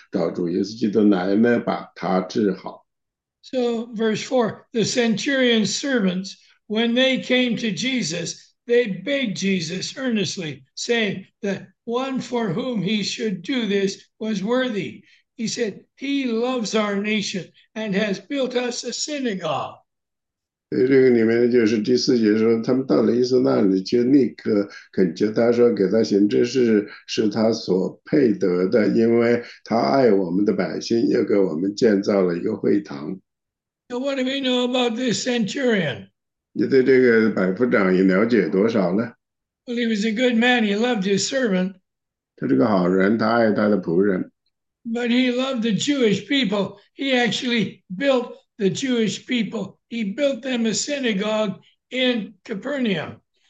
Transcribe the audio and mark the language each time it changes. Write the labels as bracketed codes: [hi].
[zh] 那这个人呢，他非常的关心，所以他说他要找主耶稣基督来呢，把他治好。 [en] So verse 4, the centurion's servants, when they came to Jesus, they begged Jesus earnestly, saying that one for whom he should do this was worthy. He said, he loves our nation and has built us a synagogue. [zh] 所以这个里面呢，就是第4节说，他们到了耶稣那里，就立刻恳求他说，给他行这事是他所配得的，因为他爱我们的百姓，又给我们建造了一个会堂。 [en] So what do we know about this centurion? [zh] 你对这个百夫长也了解多少呢？ [en] Well, he was a good man. He loved his servant. [zh] 他是个好人，他爱他的仆人。 [en] But he loved the Jewish people. He actually built the Jewish people. He built them a synagogue in Capernaum.